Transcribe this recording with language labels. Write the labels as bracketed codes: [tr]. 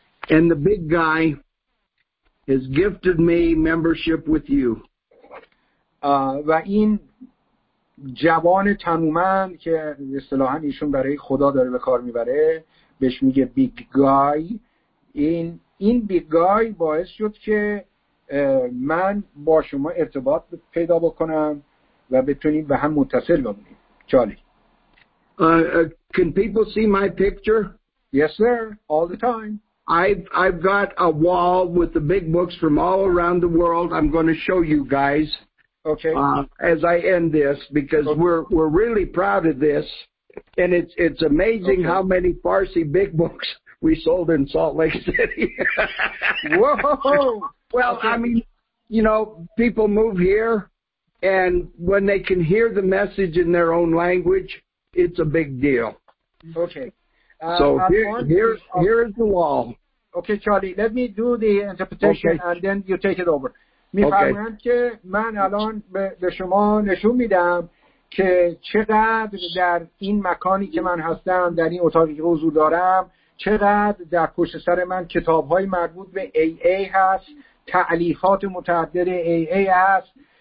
[en] And the big guy has gifted me membership with you. [fa] و این جوان تنومند که اصطلاحا ایشون برای خدا داره به کار میبره بهش میگه بیگ گای، این بیگ گای باعث شد که من با شما ارتباط پیدا بکنم و بتونیم به هم متصل بمونیم. چالی؟ [en] Can people see my picture? Yes, sir. All the time. I've got a wall with the big books from all around the world. I'm going to show you guys. Okay. As I end this, because okay. we're really proud of this, and it's amazing okay. how many Farsi big books we sold in Salt Lake City. Whoa. Well, okay. I mean, you know, people move here, and when they can hear the message in their own language, it's a big deal. Okay. So here is the wall. Okay, Charlie, let me do the interpretation, okay. and then you take it over. [fa] می فرمایند که من الان به شما نشون میدم که چقدر در این مکانی که من هستم، در این اتاقی که حضور دارم، چقدر در پشت سر من کتاب‌های مربوط به AA هست، تألیفات متعدد AA هست